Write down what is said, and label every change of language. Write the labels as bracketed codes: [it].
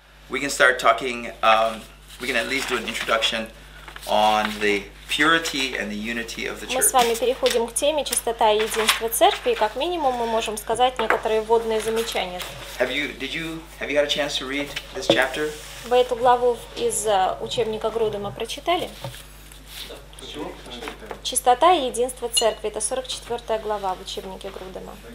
[en] we can start talking, we can at least do an introduction on the purity and the unity of the church. [ru] Мы с вами переходим к теме чистота и единство церкви, и как минимум мы можем сказать некоторые вводные замечания. [en] Have you had a chance to read this chapter? [ru] Вы эту главу из учебника Грудема прочитали? Чистота и единство церкви. Это 44 глава в учебнике Грудема.